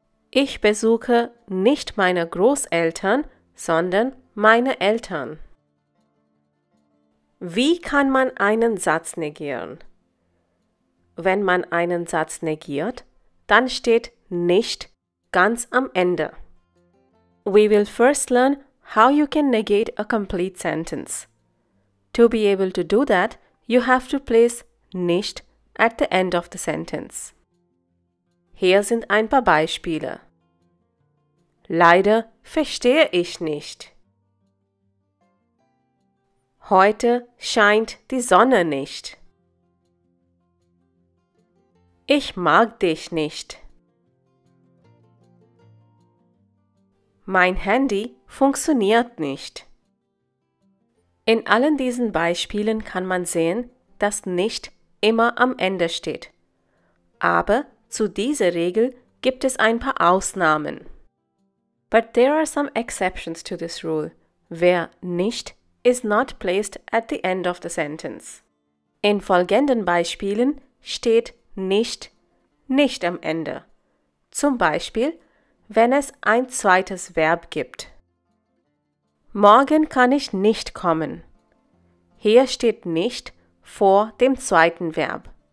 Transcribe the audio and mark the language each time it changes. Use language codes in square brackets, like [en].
[de] Ich besuche nicht meine Großeltern, sondern meine Eltern. Wie kann man einen Satz negieren? Wenn man einen Satz negiert, dann steht nicht ganz am Ende. [en] We will first learn how you can negate a complete sentence. To be able to do that, you have to place nicht at the end of the sentence. [de] Hier sind ein paar Beispiele. Leider verstehe ich nicht. Heute scheint die Sonne nicht. Ich mag dich nicht. Mein Handy funktioniert nicht. In allen diesen Beispielen kann man sehen, dass nicht immer am Ende steht. Aber zu dieser Regel gibt es ein paar Ausnahmen. [en] But there are some exceptions to this rule, where nicht is not placed at the end of the sentence. [de] In folgenden Beispielen steht nicht nicht am Ende. Zum Beispiel, wenn es ein zweites Verb gibt. Morgen kann ich nicht kommen. Hier steht nicht vor dem zweiten Verb.